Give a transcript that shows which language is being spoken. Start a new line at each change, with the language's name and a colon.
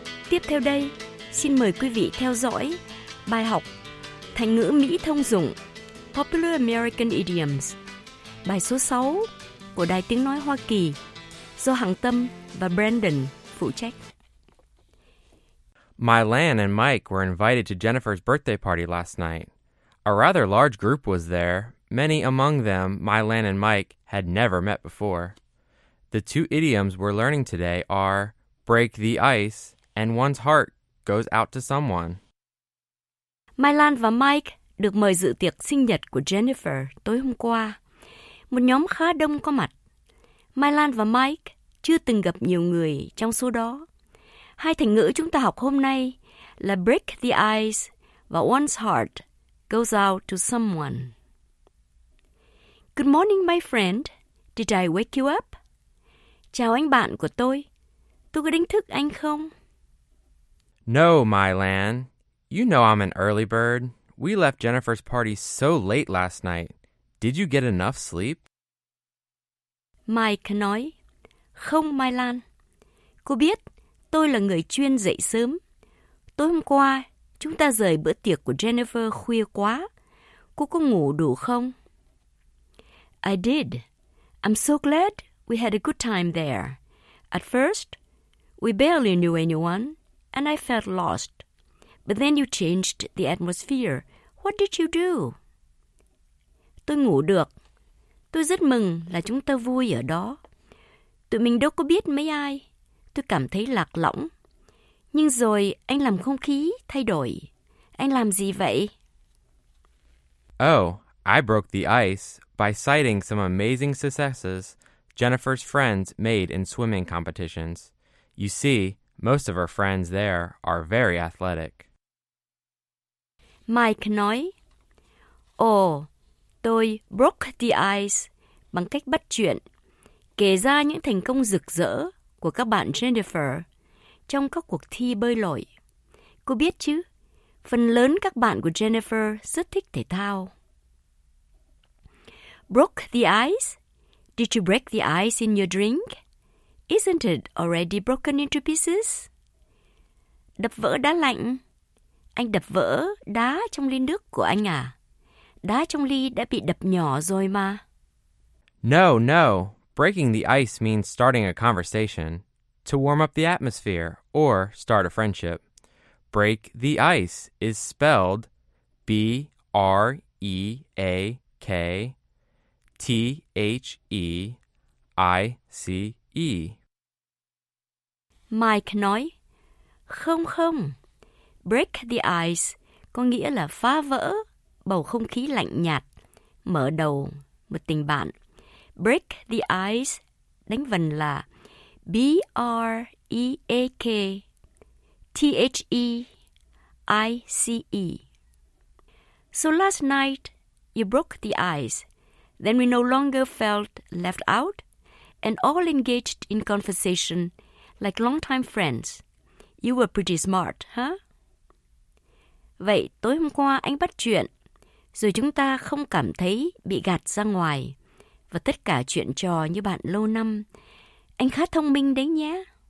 Vietnamese: Tiếp theo đây, xin mời quý vị theo dõi bài học thành ngữ Mỹ thông dụng
English: Popular American Idioms,
Vietnamese: bài số 6 của Đài Tiếng Nói Hoa Kỳ do Hằng Tâm và Brandon phụ trách.
English: Mylan and Mike were invited to Jennifer's birthday party last night. A rather large group was there. Many among them, Mylan and Mike, had never met before. The two idioms we're learning today are break the ice and one's heart goes out to someone.
Vietnamese: Mylan và Mike được mời dự tiệc sinh nhật của Jennifer tối hôm qua. Một nhóm khá đông có mặt. Mylan và Mike chưa từng gặp nhiều người trong số đó. Hai thành ngữ chúng ta học hôm nay là
English: break the ice
Vietnamese: và
English: one's heart goes out to someone. Good morning, my friend. Did I wake you up?
Vietnamese: Chào anh bạn của tôi. Tôi có đánh thức anh không?
English: No, Mylan. You know I'm an early bird. We left Jennifer's party so late last night. Did you get enough sleep?
Vietnamese: Mike nói, không, Mylan. Cô biết, tôi là người chuyên dậy sớm. Tối hôm qua, chúng ta rời bữa tiệc của Jennifer khuya quá. Cô có ngủ đủ không?
English: I did. I'm so glad we had a good time there. At first, we barely knew anyone, and I felt lost. But then you changed the atmosphere. What did you do?
Vietnamese: Tôi ngủ được. Tôi rất mừng là chúng ta vui ở đó. Tụi mình đâu có biết mấy ai. Tôi cảm thấy lạc lõng. Nhưng rồi anh làm không khí thay đổi. Anh làm gì vậy?
English: Oh, I broke the ice by citing some amazing successes Jennifer's friends made in swimming competitions. You see, most of her friends there are very athletic.
Vietnamese: Mike nói, tôi
English: broke the ice
Vietnamese: bằng cách bắt chuyện, kể ra những thành công rực rỡ của các bạn Jennifer trong các cuộc thi bơi lội. Cô biết chứ, phần lớn các bạn của Jennifer rất thích thể thao.
English: Broke the ice? Did you break the ice in your drink? Isn't it already broken into pieces?
Vietnamese: Đập vỡ đá lạnh. Anh đập vỡ đá trong ly nước của anh à? Đá trong ly đã bị đập nhỏ rồi mà.
English: No, no. Breaking the ice means starting a conversation, to warm up the atmosphere, or start a friendship. Break the ice is spelled B-R-E-A-K-T-H-E-I-C-E.
Vietnamese: Mike nói, không không,
English: break the ice
Vietnamese: có nghĩa là phá vỡ bầu không khí lạnh nhạt, mở đầu một tình bạn.
English: Break the ice,
Vietnamese: đánh vần là B-R-E-A-K-T-H-E-I-C-E.
English: So last night, you broke the ice. Then we no longer felt left out and all engaged in conversation like longtime friends. You were pretty smart, huh?
Vietnamese: Vậy, tối hôm qua anh bắt chuyện, rồi chúng ta không cảm thấy bị gạt ra ngoài. Và tất cả chuyện trò như bạn lâu năm. Anh khá thông minh đấy nhé.